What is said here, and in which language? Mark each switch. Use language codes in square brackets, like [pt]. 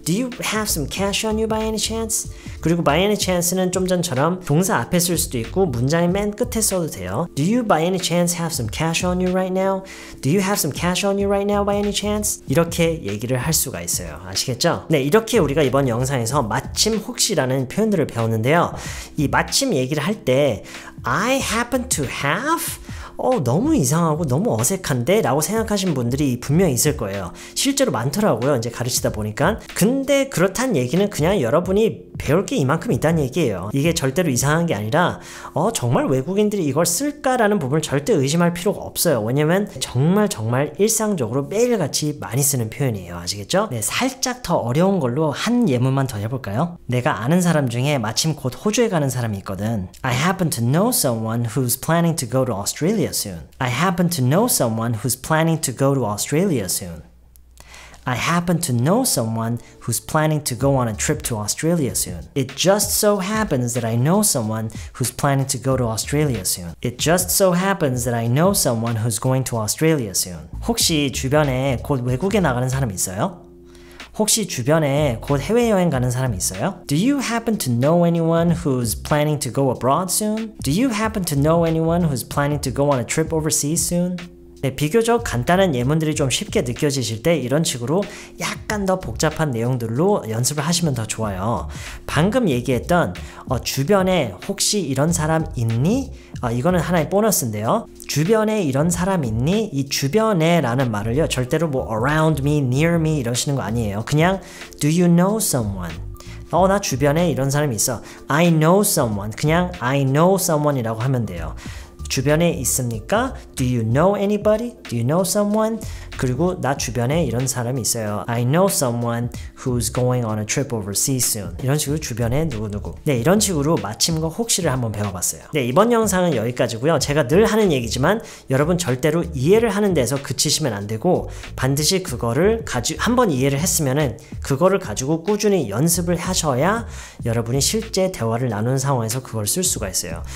[en] Do you have some cash on you by any chance? [ko] 그리고 by any chance는 좀 전처럼 동사 앞에 쓸 수도 있고 문장의 맨 끝에 써도 돼요. [en] Do you by any chance have some cash on you right now? Do you have some cash on you right now by any chance? [ko] 이렇게 얘기를 할 수가 있어요. 아시겠죠? 네, 이렇게 우리가 이번 영상에서 마침 혹시라는 표현들을 배웠는데요. 이 마침 얘기를 할 때 [en] I happen to have? [ko] 너무 이상하고 너무 어색한데? 라고 생각하신 분들이 분명히 있을 거예요. 실제로 많더라고요. 이제 가르치다 보니까. 근데 그렇단 얘기는 그냥 여러분이 배울 게 이만큼 있다는 얘기예요. 이게 절대로 이상한 게 아니라 정말 외국인들이 이걸 쓸까라는 부분을 절대 의심할 필요가 없어요. 왜냐면 정말 정말 일상적으로 매일같이 많이 쓰는 표현이에요. 아시겠죠? 네, 살짝 더 어려운 걸로 한 예문만 더 해볼까요? 내가 아는 사람 중에 마침 곧 호주에 가는 사람이 있거든. [en] I happen to know someone who's planning to go to Australia soon. I happen to know someone who's planning to go to Australia soon. I happen to know someone who's planning to go on a trip to Australia soon. It just so happens that I know someone who's planning to go to Australia soon. It just so happens that I know someone who's going to Australia soon. [ko] 혹시 주변에 곧 외국에 나가는 사람 있어요? 혹시 주변에 곧 해외여행 가는 사람이 있어요? [en] Do you happen to know anyone who's planning to go abroad soon? Do you happen to know anyone who's planning to go on a trip overseas soon? [ko] 네, 비교적 간단한 예문들이 좀 쉽게 느껴지실 때 이런 식으로 약간 더 복잡한 내용들로 연습을 하시면 더 좋아요. 방금 얘기했던 주변에 혹시 이런 사람 있니? 이거는 하나의 보너스인데요. 주변에 이런 사람 있니? 이 주변에 라는 말을요. 절대로 뭐 [en] around me, near me [ko] 이러시는 거 아니에요. 그냥 [en] do you know someone? [ko] 나 주변에 이런 사람이 있어. [en] I know someone. [ko] 그냥 [en] I know someone [ko] 이라고 하면 돼요. 주변에 있습니까? [en] Do you know anybody? Do you know someone? [ko] 그리고 나 주변에 이런 사람이 있어요. [en] I know someone who's going on a trip overseas soon. [ko] 이런 식으로 주변에 누구누구. 네, 이런 식으로 마침과 혹시를 한번 배워봤어요. 네, 이번 영상은 여기까지고요. 제가 늘 하는 얘기지만 여러분 절대로 이해를 하는 데서 그치시면 안 되고 반드시 그거를 한번 이해를 했으면은 그거를 가지고 꾸준히 연습을 하셔야 여러분이 실제 대화를 나누는 상황에서 그걸 쓸 수가 있어요.